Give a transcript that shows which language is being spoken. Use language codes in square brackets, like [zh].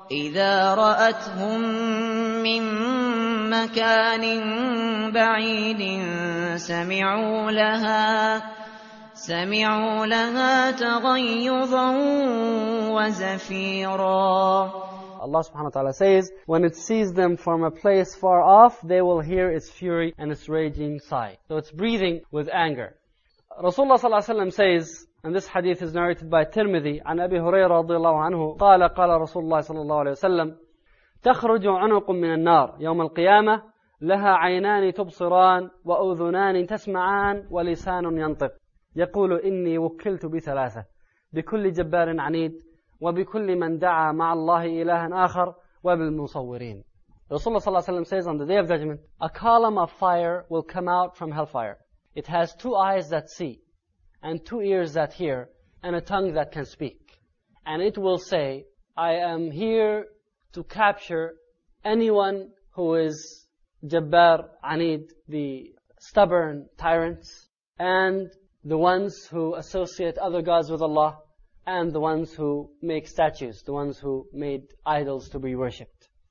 [ar] إِذَا رَأَتْهُمْ مِن مَكَانٍ بَعِيدٍ سَمِعُوا لَهَا تَغَيُّضًا وَزَفِيرًا. [en] Allah subhanahu wa ta'ala says, when it sees them from a place far off, they will hear its fury and its raging sigh. So it's breathing with anger. Rasulullah sallallahu alayhi wa sallam says, and this hadith is narrated by Tirmidhi, [ar] عن أبي هريرة رضي الله عنه, قال رسول الله صلى الله عليه وسلم, تخرج عنق من النار يوم القيامة لها عينان تبصران وأذنان تسمعان ولسان ينطق يقول إني وكلت بثلاثة بكل جبار عنيد وبكل من دعا مع الله إلها آخر وبالمصورين. [en] Rasulullah [ar] صلى الله عليه وسلم [en] says, on the day of judgment, a column of fire will come out from hellfire. It has two eyes that see, and two ears that hear, and a tongue that can speak. And it will say, I am here to capture anyone who is Jabbar, Anid, the stubborn tyrants, and the ones who associate other gods with Allah, and the ones who make statues, the ones who made idols to be worshipped.